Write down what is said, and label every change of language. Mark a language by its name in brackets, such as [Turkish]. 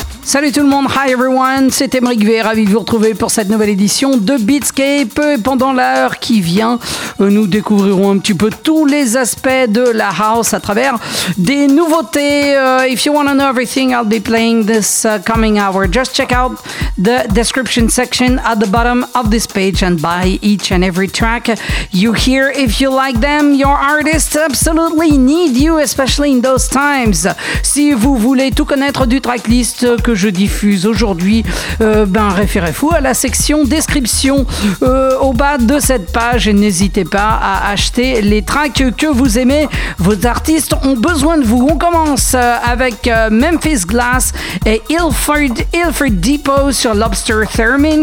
[French] Salut tout le monde, [English] hi everyone, [French] c'est Emeric V, ravi de vous retrouver pour cette nouvelle édition de Beatscape. Et pendant l'heure qui vient, nous découvrirons un petit peu tous les aspects de la house à travers des nouveautés. [English] If you want to know everything, I'll be playing this coming hour. Just check out the description section at the bottom of this page and buy each and every track you hear. If you like them, your artists absolutely need you, especially in those times. [French] Si vous voulez tout connaître du tracklist que je diffuse aujourd'hui, référez-vous à la section description au bas de cette page et n'hésitez pas à acheter les tracks que vous aimez. Vos artistes ont besoin de vous. On commence avec MEMPHIS Glass et Ilford Depot sur Lobster Theremin.